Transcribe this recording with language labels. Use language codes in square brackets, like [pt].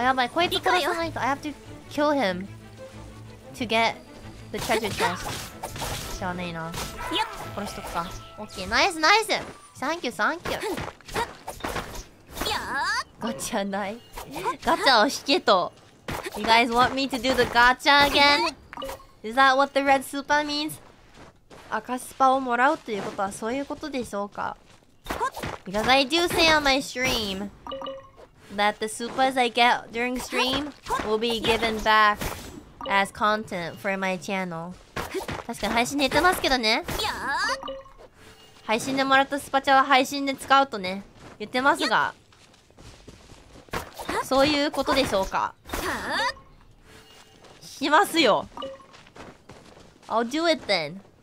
[ja] あ、やばい、こいつ殺さないと、 [en] I have to kill him to get the treasure chest。 [ja] しゃあねえな、殺しとくか。OK、 ナイスナイス、サンキューサンキュー。ガチャない、ガチャを引けと。 [en] You guys want me to do the gacha again? Is that what the red super means? [ja] 赤スパをもらうということはそういうことでしょうか。 [en] Because I do say on my stream that the supers I get during stream will be given back as content for my channel. [ja] 確かに配信で言ってますけどね。配信でもらったスパチャは配信で使うとね、言ってますが、そういうことでしょうか。しますよ。 [en] I'll do it then.